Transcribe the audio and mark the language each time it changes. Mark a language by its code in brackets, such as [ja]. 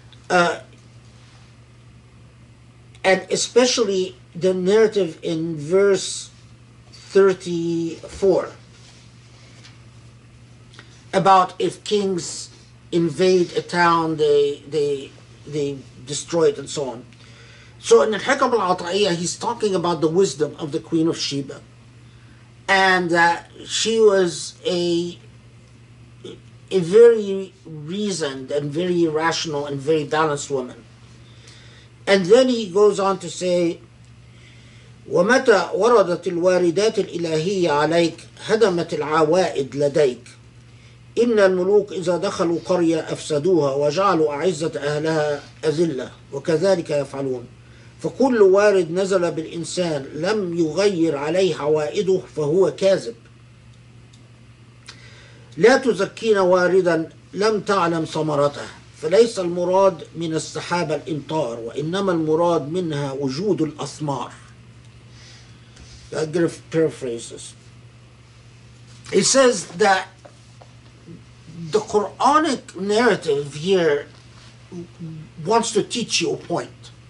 [en] And especially the narrative in verse 34 about if kings invade a town, they destroy it and so on. So in Al-Hikam Al-Ata'iyya, he's talking about the wisdom of the Queen of Sheba, and that she was a very reasoned and very rational and very balanced woman. And then he goes on to say, [ar] وَمَتَى وَرَدَتِ الْوَارِدَاتِ الْإِلَهِيَّ عَلَيْكَ هَدَمَتِ الْعَوَائِدْ لَدَيْكَ. إن الملوك إذا دخلوا قرية أفسدوها وجعلوا أعزة أهلها أذلة وكذلك يفعلون. فكل وارد نزل بالإنسان لم يغير عليه عوائده فهو كاذب. لا تزكين واردا لم تعلم ثمرته. فليس المراد من السحابة الإمطار، وإنما المراد منها وجود الأثمار. [en] Paraphrases. It says that the Quranic narrative here wants to teach you a point.